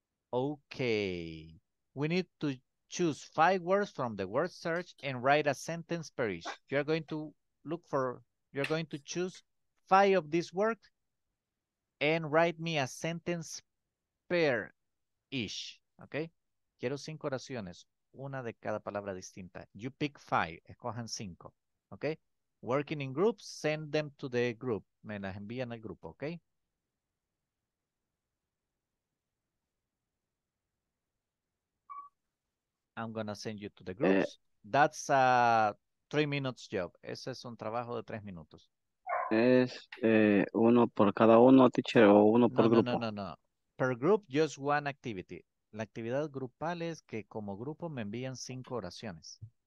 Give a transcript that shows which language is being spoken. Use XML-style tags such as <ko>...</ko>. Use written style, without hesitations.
<en>Okay. We need to choose five words from the word search and write a sentence per each. You're going to choose five of these words and write me a sentence per each. Okay?</en> <es>Quiero cinco oraciones, una de cada palabra distinta.</es> <en>You pick five,</en> <es>escojan cinco.</es> <en>Okay? Working in groups, send them to the group.</en> <es>Me las envían al grupo,</es> <en>okay? I'm going to send you to the groups. That's a 3 minutes job.</en> <es>Ese es un trabajo de 3 minutos. Es uno por cada uno, teacher, o uno por grupo.</es> <en>No. Per group, just one activity.</en> <es>La actividad grupal es que como grupo me envían 5 oraciones.</es>